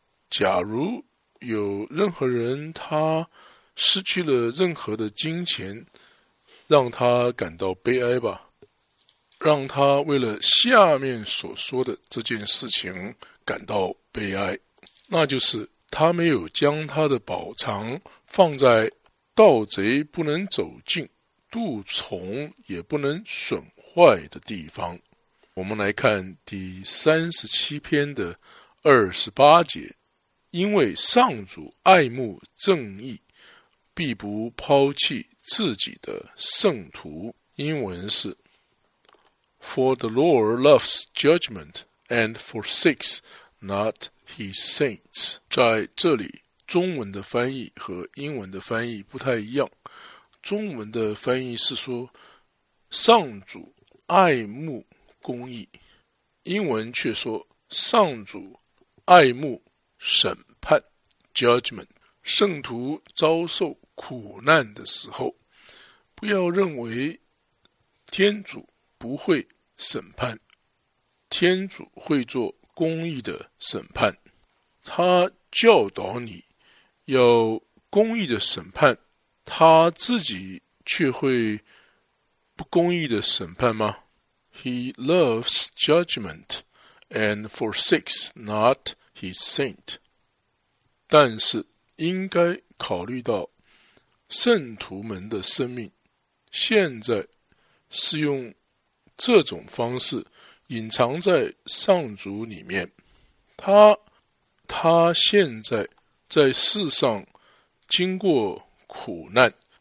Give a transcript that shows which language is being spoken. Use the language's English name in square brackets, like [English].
[Chinese] 假如有任何人他失去了任何的金钱，让他感到悲哀吧，让他为了下面所说的这件事情感到悲哀，那就是他没有将他的宝藏放在盗贼不能走进，蠹虫也不能损坏的地方。我们来看第37篇28节，因为上主爱慕正义，必不抛弃自己的圣徒。英文是 [English] For the Lord loves judgment and forsakes not his saints. [Chinese] 在这里中文的翻译和英文的翻译不太一样，中文的翻译是说上主爱慕公义，英文却说上主爱慕审判judgment。圣徒遭受苦难的时候，不要认为天主不会审判，天主会做公义的审判。他教导你要公义的审判，他自己却会不公义的审判吗？ [English] He loves judgment and forsakes not his saint. [Chinese] 但是应该考虑到圣徒们的生命现在是用这种方式隐藏在上主里面，他现在在世上经过苦难，